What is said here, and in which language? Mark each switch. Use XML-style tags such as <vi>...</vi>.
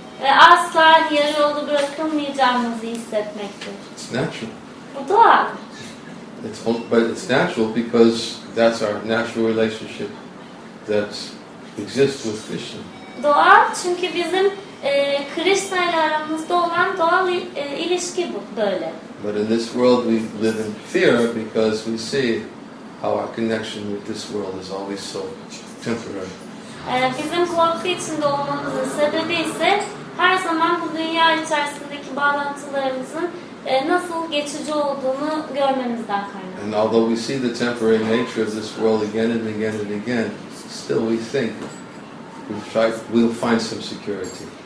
<tr>Ve asla yarı yolda bırakılmayacağınızı hissetmektir.</tr> <en>It's natural.</en> <tr>Bu doğal.</tr> <en>But it's natural because that's our natural relationship that exists with Krishna.</en> <tr>Doğal çünkü bizim Krishna ile aramızda olan doğal ilişki bu böyle.</tr> <en>But in this world we live in fear because we see how our connection with this world is always so temporary.</en> <tr>Bizim korku içinde olmamızın sebebi ise her zaman bu dünya içerisindeki bağlantılarımızın nasıl geçici olduğunu görmemizden kaynaklı.</tr> <en>And although we see the temporary nature of this world again and again and again, still we think we'll find some security.</en>